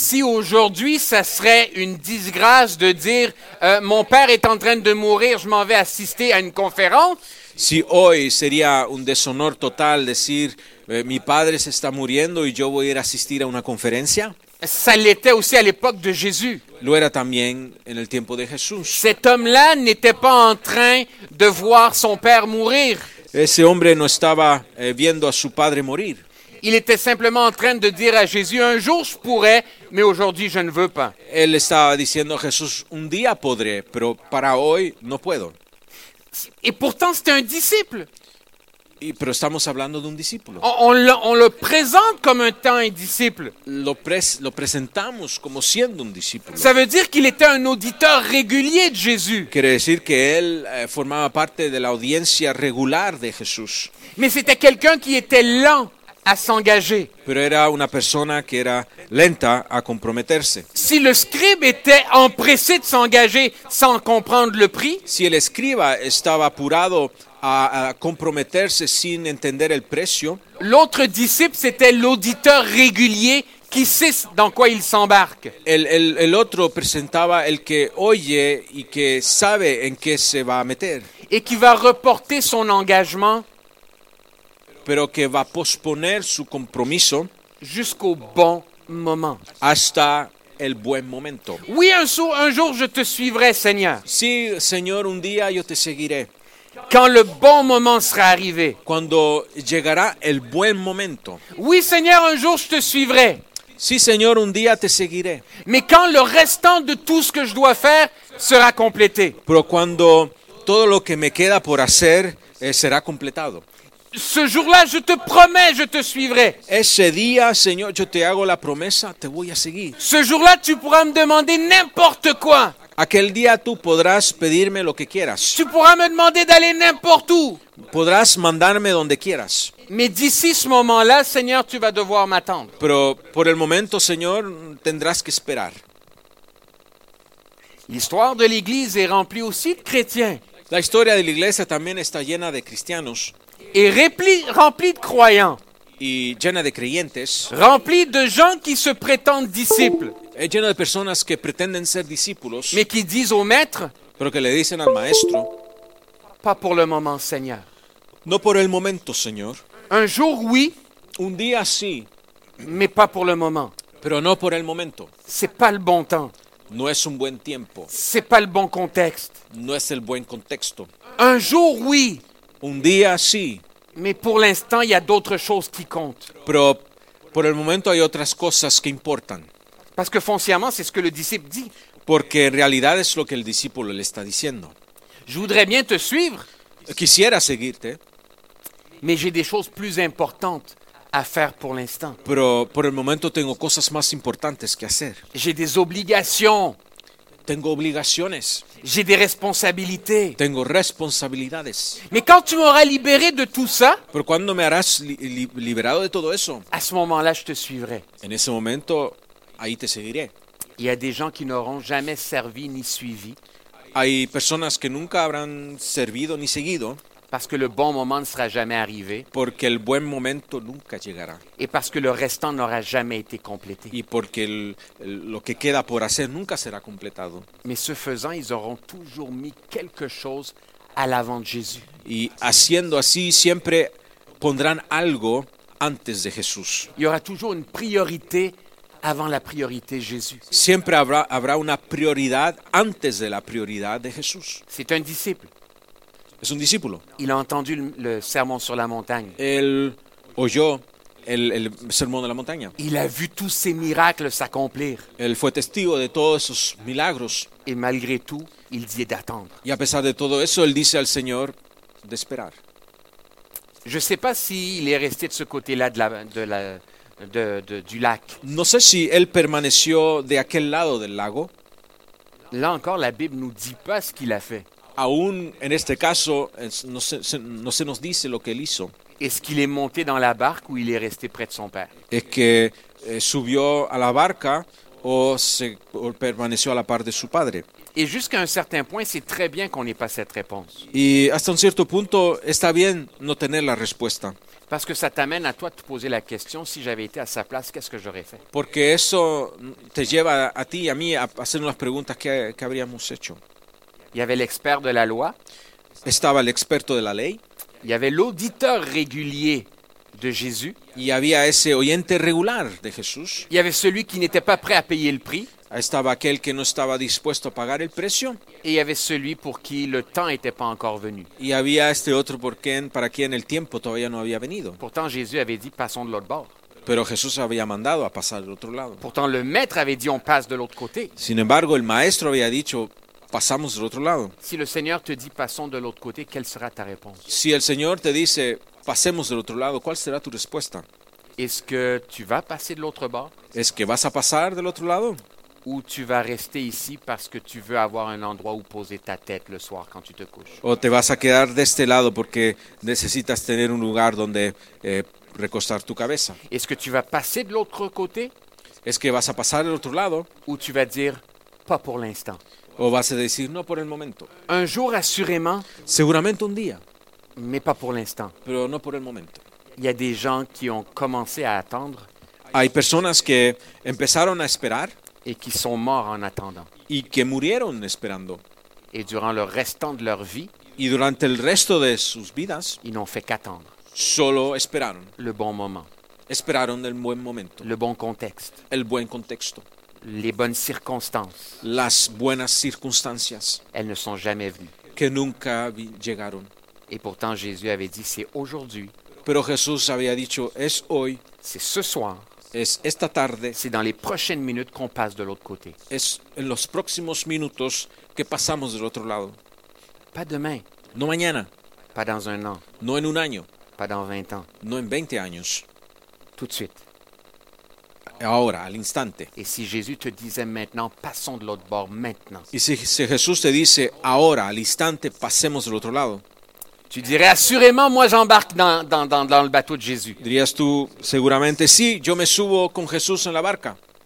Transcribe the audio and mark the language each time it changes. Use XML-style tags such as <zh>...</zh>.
<fr>Si aujourd'hui, ça serait une disgrâce de dire mon père est en train de mourir, je m'en vais assister à une conférence.</fr> <es>Si hoy sería un deshonor total decir mi padre se está muriendo y yo voy a ir a asistir a una conferencia.</es> <fr>Ça l'était aussi à l'époque de Jésus.</fr> <es>Lo era también en el tiempo de Jesús.</es> <fr>Cet homme-là n'était pas en train de voir son père mourir.</fr> <es>Ese hombre no estaba viendo a su padre morir.</es> <fr>Il était simplement en train de dire à Jésus, un jour je pourrais, mais aujourd'hui je ne veux pas.</fr> <es>Él estaba diciendo a Jesús, un día podré, pero para hoy no puedo.</es> <fr>Et pourtant c'était un disciple.</fr> <es>Pero estamos hablando de un discípulo.</es> <fr>On le présente comme étant un disciple.</fr> <es>Lo presentamos como siendo un discípulo.</es> <fr>Ça veut dire qu'il était un auditeur régulier de Jésus.</fr> <es>Quiere decir que él formaba parte de la audiencia regular de Jesús.</es> <fr>Mais c'était quelqu'un qui était lent à s'engager.</fr> <es>Pero era una persona que era lenta a comprometerse.</es> <fr>Si le scribe était empressé de s'engager sans comprendre le prix.</fr> <es>Si el escriba estaba apurado a comprometerse sin entender el precio.</es> <fr>L'autre disciple, c'était l'auditeur régulier qui sait dans quoi il s'embarque.</fr> <es>El otro presentaba el que oye y que sabe en qué se va a meter.</es> <fr>Et qui va reporter son engagement.</fr> <es>Pero que va a posponer su compromiso.</es> <fr>Jusqu'au bon moment.</fr> <es>Hasta el buen momento.</es> <fr>Oui, un jour je te suivrai, Seigneur.</fr> <es>Sí, Señor, un día yo te seguiré.</es> <fr>Quand le bon moment sera arrivé.</fr> <es>Cuando llegará el buen momento.</es> <fr>Oui, Seigneur, un jour je te suivrai.</fr> <es>Sí, Señor, un día te seguiré.</es> <fr>Mais quand le restant de tout ce que je dois faire sera complété.</fr> <es>Pero cuando todo lo que me queda por hacer será completado.</es> <fr>Ce jour-là, je te promets, je te suivrai.</fr> <es>Ese día, Señor, yo te hago la promesa, te voy a seguir.</es> <fr>Ce jour-là, tu pourras me demander n'importe quoi.</fr> <es>Aquel día tú podrás pedirme lo que quieras.</es> <fr>Tu pourras me demander d'aller n'importe où.</fr> <es>Podrás mandarme donde quieras.</es> <fr>Mais d'ici ce moment-là, Seigneur, tu vas devoir m'attendre.</fr> <es>Pero por el momento, Señor, tendrás que esperar.</es> <fr>L'histoire de l'Église est remplie aussi de chrétiens.</fr> <es>La historia de la Iglesia también está llena de cristianos.</es> <fr>Et rempli de croyants.</fr> <es>Y llena de creyentes.</es> <fr>Rempli de gens qui se prétendent disciples.</fr> <es>Et llena de personas que pretenden ser discípulos.</es> <fr>Mais qui disent au maître.</fr> <es>Pero que le dicen al maestro.</es> <fr>Pas pour le moment, Seigneur.</fr> <es>No por el momento, Señor.</es> <fr>Un jour, oui.</fr> <es>Un día, sí.</es> <fr>Mais pas pour le moment.</fr> <es>Pero no por el momento.</es> <fr>C'est pas le bon temps.</fr> <es>No es un buen tiempo.</es> <fr>C'est pas le bon contexte.</fr> <es>No es el buen contexto.</es> <fr>Un jour, oui.</fr> <es>Un día sí.</es> <fr>Mais pour l'instant, il y a d'autres choses qui comptent.</fr> <es>Pero por el momento hay otras cosas que importan.</es> <fr>Parce que foncièrement, c'est ce que le disciple dit.</fr> <es>Porque en realidad es lo que el discípulo le está diciendo.</es> <fr>Je voudrais bien te suivre.</fr> <es>Quisiera seguirte.</es> <fr>Mais j'ai des choses plus importantes à faire pour l'instant.</fr> <es>Pero por el momento tengo cosas más importantes que hacer.</es> <fr>J'ai des obligations.</fr> <es>Tengo obligaciones.</es> <fr>J'ai des responsabilités.</fr> <es>Tengo responsabilidades.</es> <fr>Mais quand tu m'auras libéré de tout ça?</fr> <es>Pero cuando me harás liberado de todo eso?</es> <fr>À ce moment-là, je te suivrai.</fr> <es>En ese momento ahí te seguiré.</es> <fr>Il y a des gens qui n'auront jamais servi ni suivi.</fr> <es>Hay personas que nunca habrán servido ni seguido.</es> <fr>Parce que le bon moment ne sera jamais arrivé.</fr> <es>Porque el buen momento nunca llegará.</es> <fr>Et parce que le restant n'aura jamais été complété.</fr> <es>Y porque lo que queda por hacer nunca será completado.</es> <fr>Mais ce faisant, ils auront toujours mis quelque chose à l'avant de Jésus.</fr> <es>Y haciendo así, siempre pondrán algo antes de Jesús.</es> <fr>Il y aura toujours une priorité avant la priorité Jésus.</fr> <es>Siempre habrá una prioridad antes de la prioridad de Jesús.</es> <fr>C'est un disciple.</fr> <es>Es un discípulo.</es> <fr>Il a entendu le sermon sur la montagne.</fr> <es>Él oyó el sermón de la montaña.</es> <fr>Il a vu tous ces miracles s'accomplir.</fr> <es>Él fue testigo de todos esos milagros.</es> <fr>Et malgré tout, il dit d'attendre.</fr> <es>Y a pesar de todo eso, él dice al Señor de esperar.</es> <fr>Je sais pas s'il est resté de ce côté-là du lac.</fr> <es>No sé si él permaneció de aquel lado del lago.</es> <fr>Là encore, la Bible nous dit pas ce qu'il a fait.</fr> <es>Aún en este caso no se nos dice lo que él hizo.</es> <fr>Est-ce qu'il est monté dans la barque ou il est resté près de son père?</fr> <es>Es que subió a la barca o permaneció a la par de su padre.</es> <fr>Et jusqu'à un certain point, c'est très bien qu'on n'ait pas cette réponse.</fr> <es>Y hasta un cierto punto está bien no tener la respuesta.</es> <fr>Parce que ça t'amène à toi de te poser la question, si j'avais été à sa place, qu'est-ce que j'aurais fait?</fr> <es>Porque eso te lleva a ti y a mí a hacernos las preguntas que habríamos hecho.</es> <fr>Il y avait l'expert de la loi.</fr> <es>Estaba el experto de la ley.</es> <fr>Il y avait l'auditeur régulier de Jésus.</fr> <es>Y había ese oyente regular de Jesús.</es> <fr>Il y avait celui qui n'était pas prêt à payer le prix.</fr> <es>Estaba aquel que no estaba dispuesto a pagar el precio.</es> <fr>Et il y avait celui pour qui le temps n'était pas encore venu.</fr> <es>Y había este otro por quien, para quien el tiempo todavía no había venido.</es> <fr>Pourtant Jésus avait dit passons de l'autre bord.</fr> <es>Pero Jesús había mandado a pasar al otro lado.</es> <fr>Pourtant le maître avait dit on passe de l'autre côté.</fr> <es>Sin embargo, el maestro había dicho pasamos del otro lado.</es> <fr>Si le Seigneur te dit passons de l'autre côté, quelle sera ta réponse?</fr> <es>Si el Señor te dice pasemos del otro lado, ¿cuál será tu respuesta?</es> <fr>Est-ce que tu vas passer de l'autre bord?</fr> <es>¿Es que vas a pasar del otro lado?</es> <fr>Ou tu vas rester ici parce que tu veux avoir un endroit où poser ta tête le soir quand tu te couches?</fr> <es>O te vas a quedar de este lado porque necesitas tener un lugar donde recostar tu cabeza.</es> <fr>Est-ce que tu vas passer de l'autre côté?</fr> <es>¿Es que vas a pasar del otro lado?</es> <fr>Ou tu vas dire pas pour l'instant.</fr> <es>O vas a decir no por el momento.</es> <fr>Un jour assurément.</fr> <es>Seguramente un día.</es> <fr>Mais pas pour l'instant.</fr> <es>Pero no por el momento.</es> <fr>Il y a des gens qui ont commencé à attendre.</fr> <es>Hay personas que empezaron a esperar.</es> <fr>Et qui sont morts en attendant.</fr> <es>Y que murieron esperando.</es> <fr>Et durant le restant de leur vie.</fr> <es>Y durante el resto de sus vidas.</es> <fr>Ils n'ont fait qu'attendre.</fr> <es>Solo esperaron.</es> <fr>Le bon moment.</fr> <es>Esperaron el buen momento.</es> <fr>Le bon contexte.</fr> <es>El buen contexto.</es> <fr>Les bonnes circonstances.</fr> <es>Las buenas circunstancias.</es> <fr>Elles ne sont jamais venues.</fr> <es>Que nunca llegaron.</es> <fr>Et pourtant Jésus avait dit c'est aujourd'hui.</fr> <es>Pero Jesús había dicho es hoy.</es> <fr>C'est ce soir.</fr> <es>Es esta tarde.</es> <fr>C'est dans les prochaines minutes qu'on passe de l'autre côté.</fr> <es>Es en los próximos minutos que pasamos del otro lado.</es> <fr>Pas demain.</fr> <es>No mañana.</es> <fr>Pas dans un an.</fr> <es>No en un año.</es> <fr>Pas dans 20 ans.</fr> <es>No en 20 años.</es> <fr>Tout de suite.</fr> <es>Ahora, al instante.</es> <fr>Et si Jésus te disait maintenant, passons de l'autre bord maintenant.</fr> <es>Y si Jesús te dice ahora, al instante, pasemos del otro lado.</es> <fr>Tu dirais assurément, moi j'embarque dans le bateau de Jésus.</fr> <es>Dirías tú, seguramente sí, yo me subo con Jesús en la barca.</es>